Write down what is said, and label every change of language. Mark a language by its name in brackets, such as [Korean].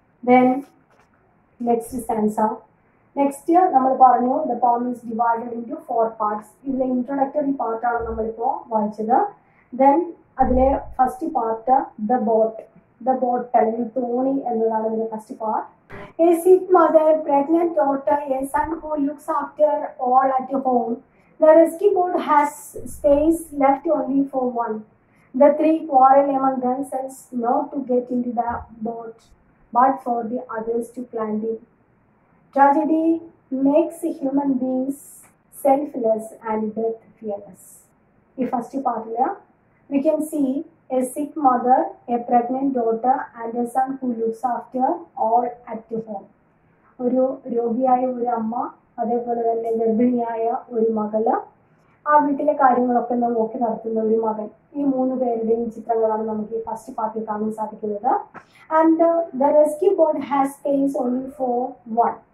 [English] then next stanza, next year [Malayalam] നമ്മൾ പറഞ്ഞു [English] The poem is divided into four parts. [Malayalam] ഇതിലെ introductory പാർട്ടാണ് നമ്മളിപ്പോൾ വായിച്ചത്. [English] then [Malayalam] അതിലെ [English] First part the boat, the boat and the tony and the first part. A sick mother, pregnant daughter, a son who looks after all at home. The rescue boat has space left only for one. The three quarrel among themselves not to get into the boat, but for the others to climb in. Tragedy makes human beings selfless and death fearless. The first part here, we can see a sick mother, a pregnant daughter, and a son who looks after all at home. [Malayalam] ഒരു രോഗിയായ ഒരു അമ്മ, അതേപോലെ തന്നെ ഗർഭിണിയായ ഒരു മകള്, ആ വീട്ടിലെ കാര്യങ്ങളൊക്കെ നോക്കി നടത്തുന്ന ഒരു മകൻ, ഈ മൂന്ന് പേരുടെയും ചിത്രങ്ങളാണ് നമുക്ക് ഈ ഫസ്റ്റ് പാർട്ടിൽ കാണാൻ സാധിക്കുന്നത്. [English] And the rescue boat has space only for one.